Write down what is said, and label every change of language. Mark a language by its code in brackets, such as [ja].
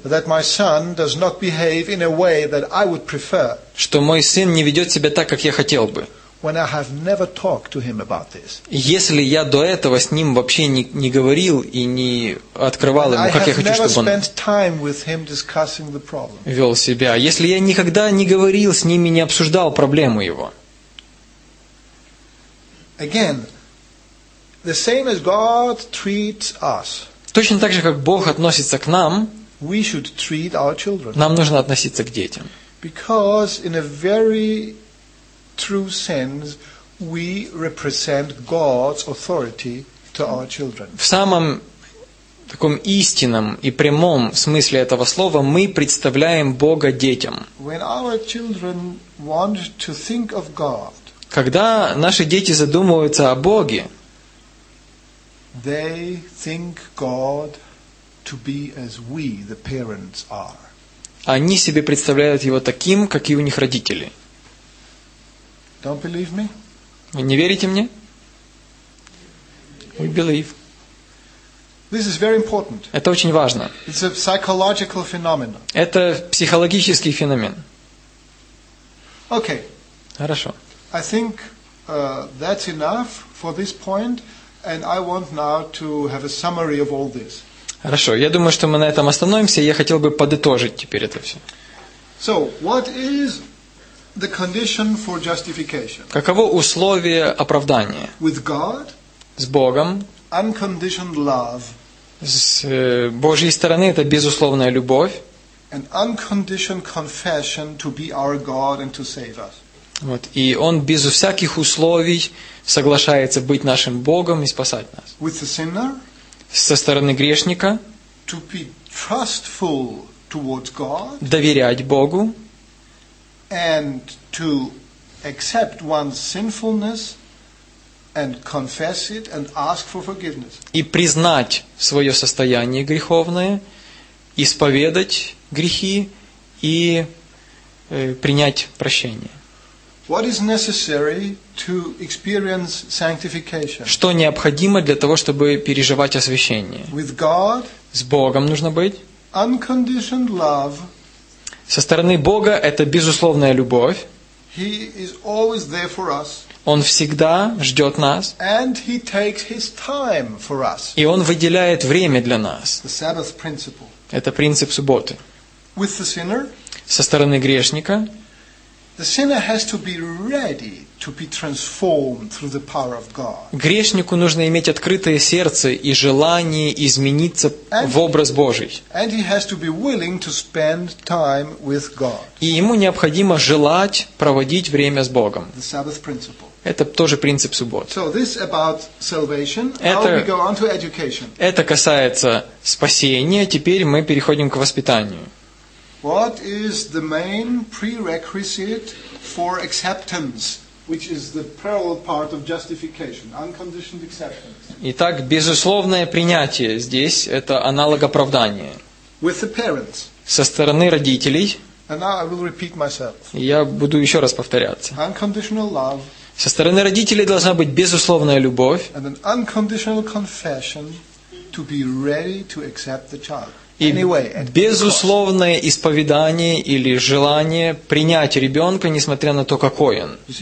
[en] that my son does not behave in a way that I would prefer, [ru] что мой сын не ведет себя так, как я хотел бы, [en] when I have never talked to him about this, [ru] если я до этого с ним вообще не говорил и не открывал ему, как я хочу, чтобы он [en] spent time with him discussing the problem, [ru] вел себя, если я никогда не говорил с ним и не обсуждал проблему его. [en] Again, the same as God treats us. [ru] Точно так же, как Бог относится к нам, [en] we should treat our children. [ru] Нам нужно относиться к детям. [en] Because in a very true sense, we represent God's authority to our children. [ru] В самом таком истинном и прямом смысле этого слова мы представляем Бога детям. [en] When our children want to think of God, [ru] Когда наши дети задумываются о Боге, [en] they think God to be as we, the parents, are. [ru] Они себе представляют Его таким, как и у них родители. [en] Don't believe me? [ru] Вы не верите мне? [en] We believe. This is very important. [ru] Это очень важно. [en] It's a psychological phenomenon. [ru] Это психологический феномен. [en] Okay. [ru] Хорошо. [en] I think that's enough for this point, and I want now to have a summary of all this. [ru] Хорошо, я думаю, что мы на этом остановимся, и я хотел бы подытожить теперь это все. [en] So, what is the condition for justification? [ru] Каково условие оправдания? [en] With God, [ru] с Богом, [en] unconditioned love, [ru] с Божьей стороны это безусловная любовь, [en] an unconditioned confession to be our God and to save us. [ru] Вот. И Он безо всяких условий соглашается быть нашим Богом и спасать нас. [en] With the sinner, [ru] со стороны грешника, [en] to be trustful towards God, [ru] доверять Богу, [en] and to accept one's sinfulness and confess it and ask for forgiveness. [ru] И признать свое состояние греховное, исповедать грехи и принять прощение. [en] What is necessary to experience sanctification? [ru] Что необходимо для того, чтобы переживать освящение? [en] With God, [ru] с Богом нужно быть. [en] Unconditioned love. [ru] Со стороны Бога это безусловная любовь. [en] He is always there for us. [ru] Он всегда ждет нас. [en] And he takes his time for us. [ru] И Он выделяет время для нас. [en] The Sabbath principle. [ru] Это принцип субботы. [en] With the sinner, [ru] со стороны грешника. [en] The sinner has to be ready to be transformed through the power of God. [ru] Грешнику нужно иметь открытое сердце и желание измениться в образ Божий. [en] And he has to be willing to spend time with God. [ru] И ему необходимо желать проводить время с Богом. [en] The Sabbath principle. [ru] Это тоже принцип субботы. [en] So this about salvation. Now we go on to education. [ru] Это касается спасения. Теперь мы переходим к воспитанию. [en] What is the main prerequisite for acceptance, which is the parallel part of justification, unconditioned acceptance? [ru] Итак, безусловное принятие здесь это аналог оправдания. [en] With the parents. [ru] Со стороны родителей. [en] And now I will repeat myself. [ru] Я буду еще раз повторяться. [en] Unconditional love. [ru] Со стороны родителей должна быть безусловная любовь. [en] And an unconditional confession to be ready to accept the child. [ru] И безусловное исповедание или желание принять ребенка, несмотря на то, какой он.